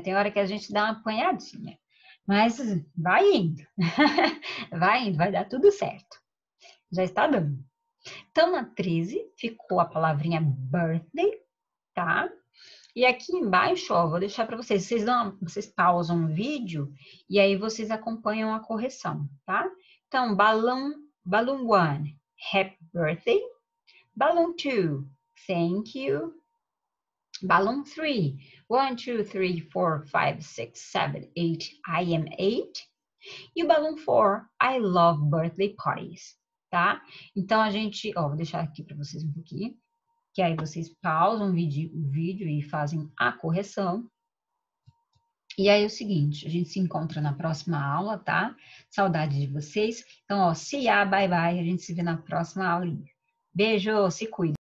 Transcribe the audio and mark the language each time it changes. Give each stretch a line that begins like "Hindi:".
Portuguese: Tem hora que a gente dá uma apanhadinha, mas vai indo, vai dar tudo certo. Já está dando. Então, na 13 ficou a palavrinha birthday, tá? E aqui embaixo, ó, vou deixar para vocês. Vocês pausam o vídeo e aí vocês acompanham a correção, tá? Então,
English: balloon one, happy birthday. Balloon two, thank you. Balloon three, one, two, three, four, five, six, seven, eight, I am eight.
Portuguese: E o
English: balloon four, I love birthday parties,
Portuguese: tá? Então, a gente, ó, vou deixar aqui para vocês um pouquinho. Que aí vocês pausam o vídeo e fazem a correção. E aí é o seguinte, a gente se encontra na próxima aula, tá? Saudade de vocês. Então, ó,
English: see ya, bye bye.
Portuguese: A gente se vê na próxima aula. Beijo, se cuida.